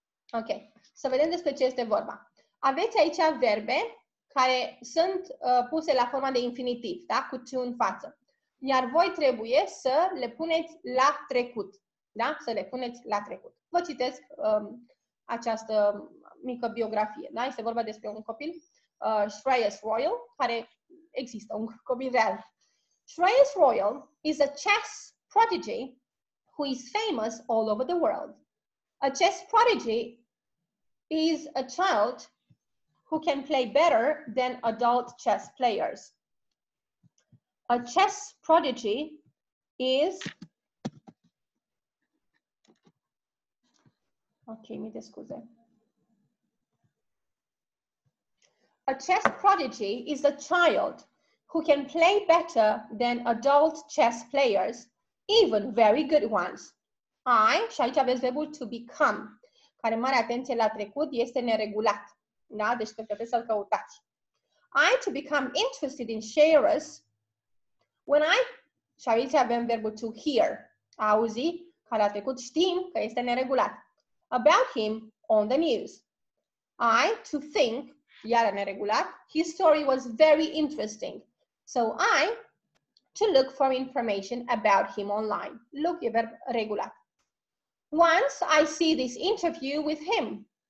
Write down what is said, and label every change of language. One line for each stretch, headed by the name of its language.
Romanian: Ok, să vedem despre ce este vorba. Aveți aici verbe care sunt puse la forma de infinitiv, da? Cu to în față. Iar voi trebuie să le puneți la trecut. Da? Să le puneți la trecut. Vă citesc această mică biografie. Da? Este vorba despre un copil, Shreyas Royal, care există, un copil real.
English: Shreyas Royal is a chess prodigy who is famous all over the world. A chess prodigy is a child who can play better than adult chess players. A chess prodigy is...
Romanian: Okay, mi descuze.
English: A chess prodigy is a child who can play better than adult chess players, even very good ones.
Romanian: I, și aici aveți verbul to become, care mare atenție la trecut este neregulat. Da? Deci trebuie să-l căutați.
English: I to become interested in Shreyas. When I,
Romanian: și aici avem verbul to hear, auzi, care a trecut, știm că este neregulat.
English: About him on the news. I to think,
Romanian: iar neregulat,
English: his story was very interesting. So I to look for information about him online. Look,
Romanian: e verb regulat.
English: Once I see this interview with him.